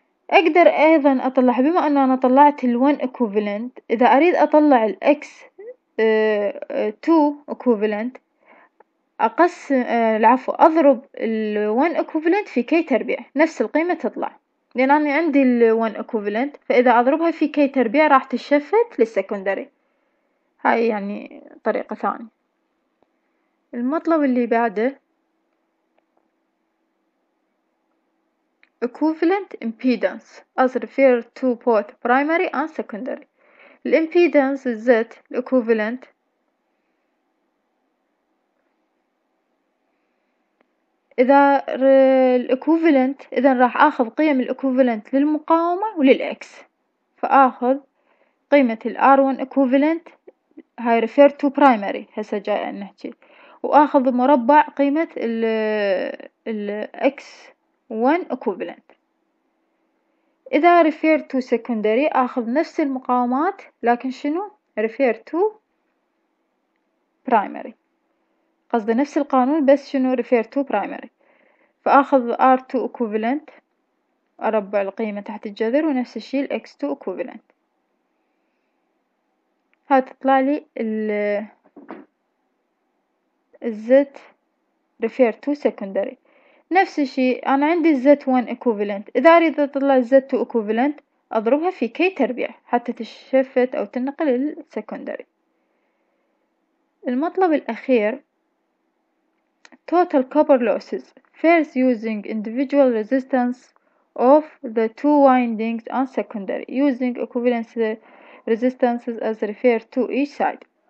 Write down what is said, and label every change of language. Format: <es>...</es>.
<ar>أقدر أيضا أطلع، بما أن أنا طلعت الـ 1 equivalent، إذا أريد أطلع الـ X2 equivalent أقسم العفو أضرب الـ 1 equivalent في K تربيع، نفس القيمة تطلع، لأن أنا عندي الـ 1 equivalent، فإذا أضربها في K تربيع راح تشفت للسكندري. هاي يعني طريقة ثانية. المطلب اللي بعده</ar> <en>equivalent impedance as referred to both primary and secondary.</en> <ar>الـ impedance الـ Z equivalent إذا الـ equivalent، إذا راح آخذ قيم الـ equivalent للمقاومة وللـ X، فآخذ قيمة الـ R1 equivalent هاي</ar> <en>referred to primary</en> <ar>هسه جاي نحكي، وآخذ مربع قيمة الـ X1 equivalent. إذا</ar> <en>refer to secondary</en> <ar>آخذ نفس المقاومات لكن شنو</ar> <en>refer to primary،</en> <ar>قصدي نفس القانون بس شنو refer to primary، فآخذ R2 equivalent أربع القيمة تحت الجذر، ونفس الشيء الـ X2 equivalent. هتطلع لي الـ Z refer to secondary. نفس الشيء أنا عندي Z1 equivalent، إذا أريد أطلع Z2 equivalent أضربها في K تربيع حتى تشفت أو تنقل إلى secondary. المطلب الأخير</ar> <en>total copper losses first using individual resistance of the two windings on secondary using equivalent resistances as referred to each side.</en>